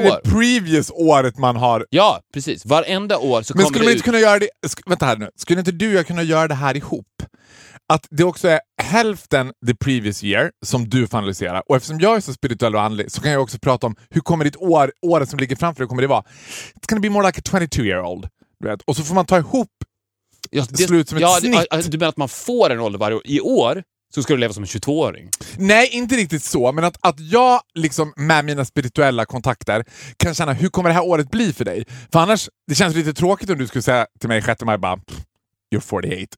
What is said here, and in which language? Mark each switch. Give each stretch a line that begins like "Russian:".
Swedish: Är det previous året man har... Ja, precis. Varenda år så kommer det ut. Men skulle man inte kunna göra det... Vänta här nu. Skulle inte du och jag kunna göra det här ihop? att det också är hälften
English: the previous year
Swedish: som du får analysera. Och eftersom jag är så spirituell och andlig så kan jag också prata om hur kommer ditt år som ligger framför dig, kommer det vara?
English: It's gonna be more like a 22-year-old. Right?
Swedish: Och så får man ta ihop du menar att man får en ålder varje år. I år så ska du leva som en 22-åring. Nej, inte riktigt så. Men att jag liksom med mina spirituella kontakter kan känna hur kommer det här året bli för dig? För annars, det känns lite tråkigt om du skulle säga till mig 6 maj,
English: you're 48.